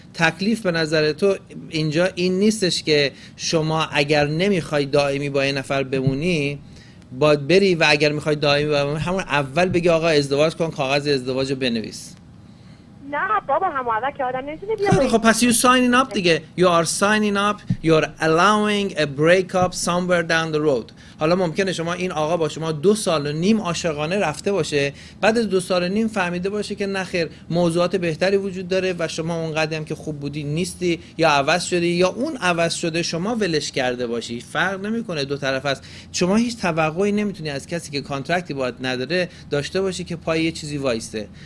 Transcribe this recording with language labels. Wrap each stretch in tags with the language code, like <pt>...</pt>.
<fa>تکلیف به نظر تو اینجا این نیستش که شما اگر نمیخوای دائمی با یه نفر بمونی باید بری، و اگر میخوای دائمی بمونی همون اول بگی آقا ازدواج کن، کاغذ ازدواج رو بنویس. نه بابا همو اول که آدم نمیتونه بیاد. خب پس</fa> <en>you signing up</en> <fa>دیگه.</fa> <en>You are signing up. You are allowing a breakup somewhere down the road.</en> <fa>حالا ممکنه شما این آقا با شما 2.5 سال عاشقانه رفته باشه، بعد از 2.5 سال فهمیده باشه که نخیر موضوعات بهتری وجود داره و شما اونقدر هم که خوب بودی نیستی، یا عوض شدی یا اون عوض شده شما ولش کرده باشی، فرق نمیکنه، دو طرف است. شما هیچ توقعی نمیتونی از کسی که کانترکتی باید نداره داشته باشی که پای یه چیزی وایسته.</fa>